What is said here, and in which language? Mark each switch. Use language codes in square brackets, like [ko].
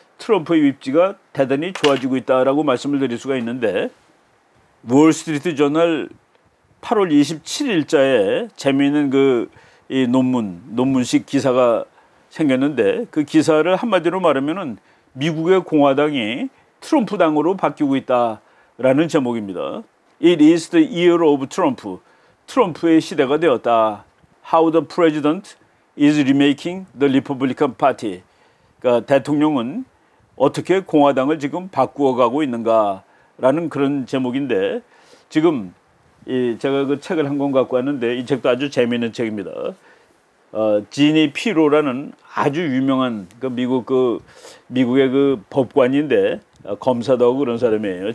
[ko] 트럼프의 입지가 대단히 좋아지고 있다라고 말씀을 드릴 수가 있는데 월스트리트 저널 8월 27일자에 재미있는 그 이 논문식 기사가 생겼는데 그 기사를 한마디로 말하면은 미국의 공화당이 트럼프 당으로 바뀌고 있다라는 제목입니다. [en] It is the year of Trump. [ko] 트럼프의 시대가 되었다. [en] How the president is remaking the Republican Party. [ko] 그러니까 대통령은 어떻게 공화당을 지금 바꾸어가고 있는가라는 그런 제목인데 지금 이 제가 그 책을 한 권 갖고 왔는데 이 책도 아주 재미있는 책입니다. 지니 피로라는 아주 유명한 그 미국 그 미국의 그 법관인데 검사도 하고 그런 사람이에요.